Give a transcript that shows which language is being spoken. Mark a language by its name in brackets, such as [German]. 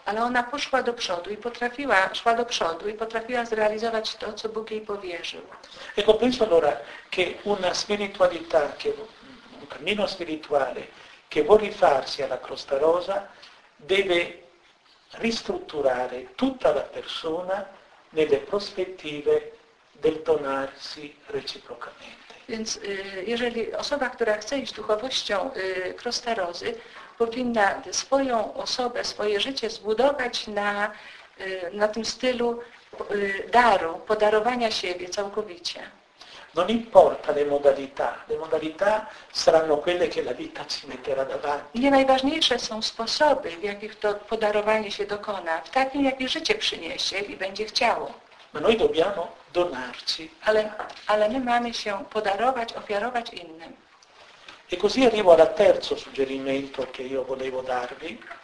[Polish] Ale ona poszła do przodu i potrafiła, szła do przodu i potrafiła zrealizować to, co Bóg jej powierzył. [Italian] Ecco, penso allora che una spiritualità, che un cammino spirituale che vuole rifarsi alla Crosta Rosa deve ristrutturare tutta la persona nelle prospettive del donarsi reciprocamente. [Polish] Więc jeżeli osoba, która chce iść duchowością Crosta Rosy, powinna swoją osobę, swoje życie zbudować na tym stylu daru, podarowania siebie całkowicie. [Italian] Non importa le modalità saranno quelle che la vita ci metterà davanti. [Polish] Nie najważniejsze są sposoby, w jakich to podarowanie się dokona, w takim, jaki życie przyniesie i będzie chciało. [Italian] Ma noi dobbiamo donarci. [Polish] Ale my mamy się podarować, ofiarować innym. [Italian] E così arrivo al terzo suggerimento che io volevo darvi.